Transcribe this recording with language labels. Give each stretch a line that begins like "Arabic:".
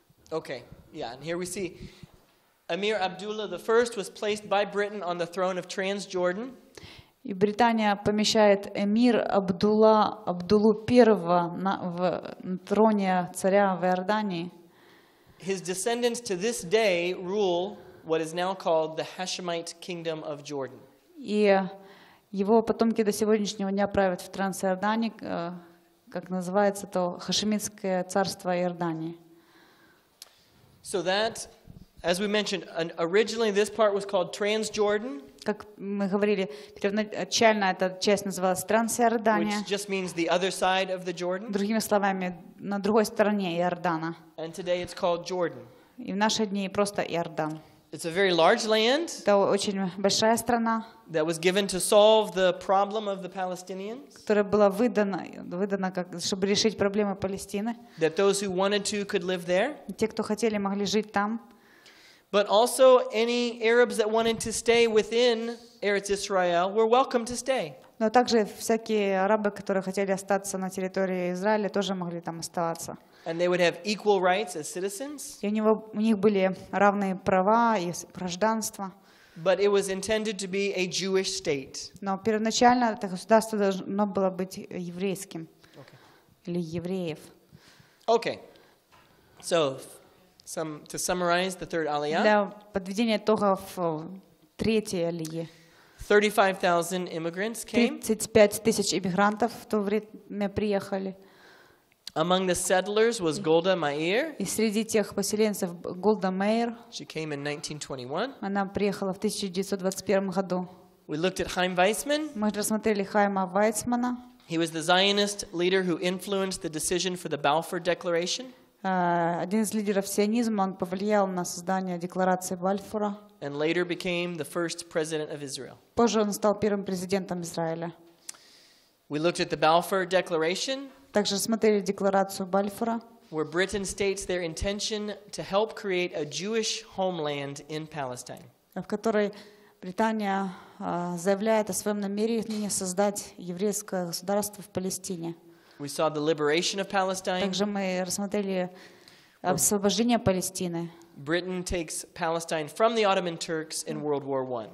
English: Okay. Yeah, and here we see Emir Abdullah the First was placed by Britain on the throne of Transjordan.
Russian: И Британия помещает эмир Абдулла Абдуллу I на троне царя в Иордании.
English: His descendants to this day rule what is now called the Hashemite Kingdom of Jordan.
Russian: И его потомки до сегодняшнего дня правят в Трансиордании, как называется то Хашимитское царство Иордании.
English: So that, as we mentioned, originally this part was called Transjordan.
Russian: Как мы говорили, первоначально эта часть называлась Трансиордания.
English: Which just means the other side of the Jordan.
Russian: Другими словами, на другой стороне Иордана.
English: And today it's called Jordan.
Russian: И в наши дни просто Иордан.
English: It's a very large land.
Russian: Это очень большая страна.
English: That was given to solve the problem of the Palestinians.
Russian: Которая была выдана как чтобы решить проблемы Палестины.
English: That those who wanted to could live there.
Russian: Те, кто хотели, могли жить там.
English: But also any Arabs that wanted to stay within Eretz Israel were welcome to stay.
Russian: Но также всякие арабы, которые хотели остаться на территории Израиля, тоже могли там оставаться.
English: And they would have equal rights as citizens.
Russian: И у них были равные права и гражданство.
English: But it was intended to be a Jewish state.
Russian: Но первоначально это государство должно было быть еврейским. Okay. Или евреев.
English: Okay. So to summarize the third Aliyah.
Russian: Для подведения итогов третьей Алии.
English: 35,000 immigrants came.
Russian: 35,000 иммигрантов в то время приехали.
English: Among the settlers was Golda Meir.
Russian: И среди тех поселенцев Голда Мейер.
English: She came in 1921.
Russian: Она приехала в 1921 году.
English: We looked at Хаим Зимерман.
Russian: Мы рассмотрели Хаима Зимермана.
English: He was the Zionist leader who influenced the decision for the Balfour Declaration.
Russian: Один из лидеров сионизма, он повлиял на создание декларации Бальфура.
English: And later became the first president of Israel.
Russian: Позже он стал первым президентом Израиля.
English: We looked at the Balfour Declaration.
Russian: Также смотрели декларацию Бальфура.
English: Where Britain states their intention to help create a Jewish homeland in Palestine.
Russian: В которой Британия заявляет о своем намерении создать еврейское государство в Палестине.
English: We saw the liberation of Palestine.
Russian: Также мы рассмотрели освобождение Палестины.
English: Britain takes Palestine from the Ottoman Turks in World War I.